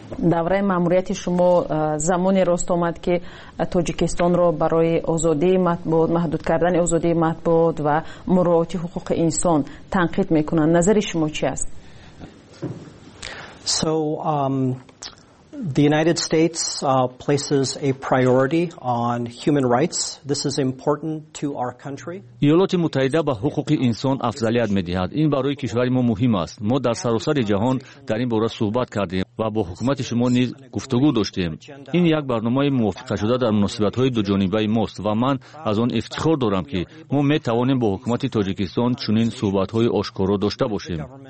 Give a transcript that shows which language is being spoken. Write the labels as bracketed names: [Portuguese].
[Persian] دوره ماموریت شما زمانی راست آمد که تاجیکستان را برای آزادی مطبوعات، محدود کردن آزادی مطبوعات و مراعات حقوق انسان تنقید میکنند. نظر شما چی است؟ [English] The United States places a priority on human rights. This is important to our country. [Persian] ایالات متحده به حقوق انسان افضلیت می‌دهد. این برای کشور ما مهم است. ما در سراسر جهان در این باره صحبت کردیم و با حکومت شما نیز گفتگو داشتیم. این یک برنامه موافقه شده در مناسبت‌های دو جانبه ماست و من از آن افتخار دارم که ما می‌توانیم با حکومت تاجیکستان چنین صحبت‌های آشکارا داشته باشیم.